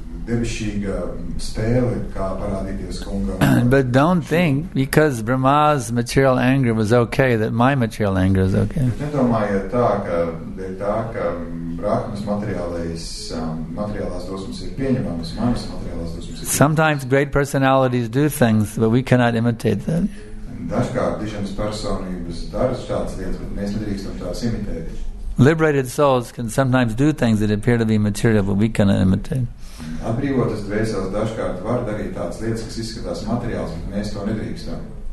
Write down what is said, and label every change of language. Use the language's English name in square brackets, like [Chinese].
[Latvian] devišīga spēle, kā parādīties kungam. [English] But don't think, because Brahmā's material anger was okay, that my material anger is okay. [Latvian] Bet nedomājiet tā, ka dēļ tā, ka Brahmas materiālās dosmas ir pieņemamas, manas materiālās dosmas ir pieņemamas. [English] Sometimes great personalities do things, but we cannot imitate that. [Latvian] Dažkārt dižanas personības dara šādas lietas, bet mēs nedrīkstam tās imitēt. [English] Liberated souls can sometimes do things that appear to be material, but we cannot imitate. [Latvian] Atbrīvotas dvēseles dažkārt var darīt tādas lietas, kas izskatās materiāls, bet mēs to nedrīkstam.